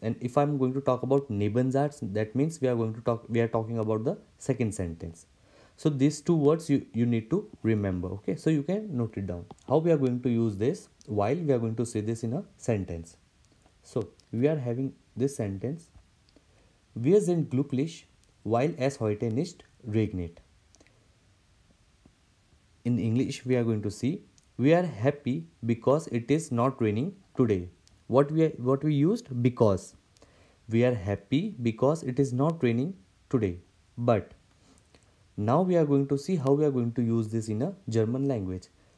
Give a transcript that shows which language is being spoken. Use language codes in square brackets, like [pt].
[en] And if I'm going to talk about Nebensatz, that means we are talking about the second sentence. So these two words you need to remember. Okay, so you can note it down. How we are going to use this while we are going to say this in a sentence. So we are having this sentence. [de] Wir sind glücklich, weil es heute nicht regnet. [en] In English, we are going to see, we are happy because it is not raining today. What we used? Because. We are happy because it is not raining today. But now we are going to see how we are going to use this in a German language.